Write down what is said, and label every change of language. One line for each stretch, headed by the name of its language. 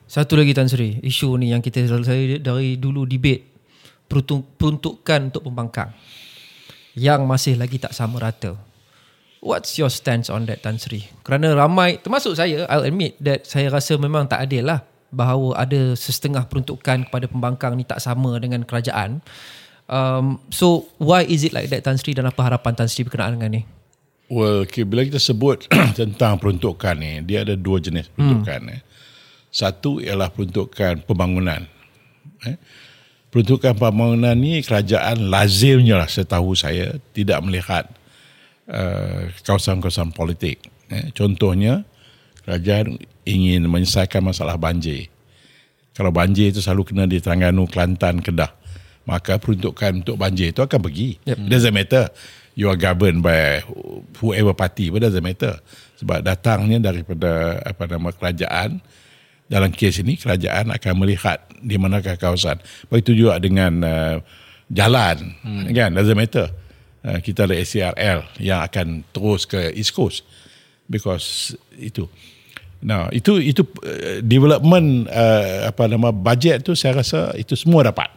Malay: Satu lagi Tan Sri, isu ni yang kita dari dulu debate, peruntukan untuk pembangkang yang masih lagi tak sama rata.
English: What's your stance on that,
Malay: Tan Sri? Kerana ramai, termasuk saya,
English: I'll admit that
Malay: saya rasa memang tak adil lah bahawa ada setengah peruntukan kepada pembangkang ni tak sama dengan kerajaan.
English: So, why is it like that, Tan Sri?
Malay: Dan apa harapan Tan Sri berkenaan dengan ni?
English: Well, okay,
Malay: bila kita sebut tentang peruntukan ni, dia ada dua jenis peruntukan. Satu ialah peruntukan pembangunan. Peruntukan pembangunan ni, kerajaan lazimnya lah setahu saya tidak melihat kawasan-kawasan politik. Contohnya kerajaan ingin menyelesaikan masalah banjir. Kalau banjir itu selalu kena di Terengganu, Kelantan, Kedah, maka peruntukan untuk banjir itu akan pergi.
English: It doesn't matter you are governed by whoever party, but doesn't matter,
Malay: sebab datangnya daripada apa nama kerajaan. Dalam kes ini kerajaan akan melihat di manakah kawasan. Begitu juga dengan jalan, kan?
English: Doesn't matter.
Malay: Kita ada SCRL yang akan terus ke East Coast
English: because
Malay: itu. Nah, itu development apa nama budget tu, saya rasa itu semua dapat.